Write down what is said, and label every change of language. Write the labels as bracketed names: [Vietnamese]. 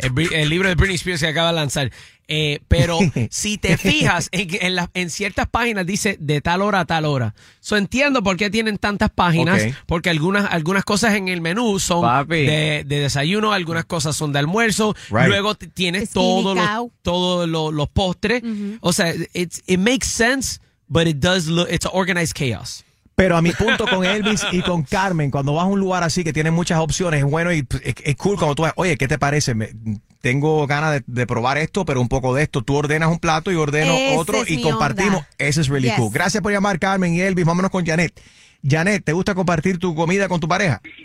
[Spanish] El libro de Britney Spears que acaba de lanzar. Pero si te fijas, en ciertas páginas dice de tal hora a tal hora. So, entiendo por qué tienen tantas páginas, porque algunas cosas en el menú son de desayuno, algunas cosas son de almuerzo, luego tienes todos los postres. Uh-huh. O sea, [English] it makes sense, but it's organized chaos. [Spanish] Pero a mi punto con Elvis y con Carmen, cuando vas a un lugar así que tiene muchas opciones, es bueno y es cool cuando tú vas, oye, ¿qué te parece? Tengo ganas de probar esto, pero un poco de esto. Tú ordenas un plato y ordeno otro y compartimos. Eso es [English] really cool. [Spanish] Gracias por llamar, Carmen y Elvis. Vámonos con Janet. Janet, ¿te gusta compartir tu comida con tu pareja?